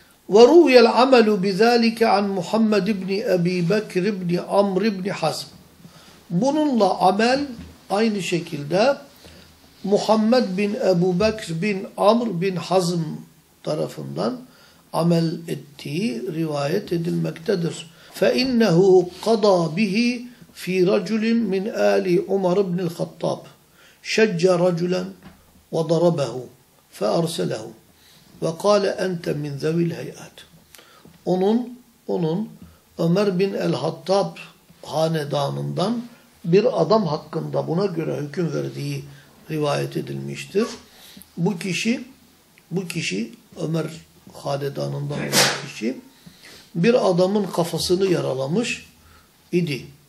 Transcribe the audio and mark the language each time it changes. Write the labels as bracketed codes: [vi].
[ar] وَرُوْيَ الْعَمَلُ بِذَٰلِكَ عَنْ مُحَمَّدِ بْنِ اَب۪ي بَكْرِ بْنِ عَمْرِ بْنِ حَزْمِ. [tr] Bununla amel aynı şekilde Muhammed bin Ebu Bekir bin Amr bin Hazm tarafından amel ettiği rivayet edilmektedir. [ar] فَاِنَّهُ قَضَى بِهِ فِي رَجُلٍ مِنْ آلِ عُمَرِ بْنِ الْخَطَّابِ شَجَّ رَجُلًا وَضَرَبَهُ فَاَرْسَلَهُ وقال انت من ذوي الهيئات. [tr] Onun Ömer bin el-Hattab hanedanından bir adam hakkında buna göre hüküm verdiği rivayet edilmiştir. Bu kişi Ömer hanedanından olan kişi bir adamın kafasını yaralamış idi.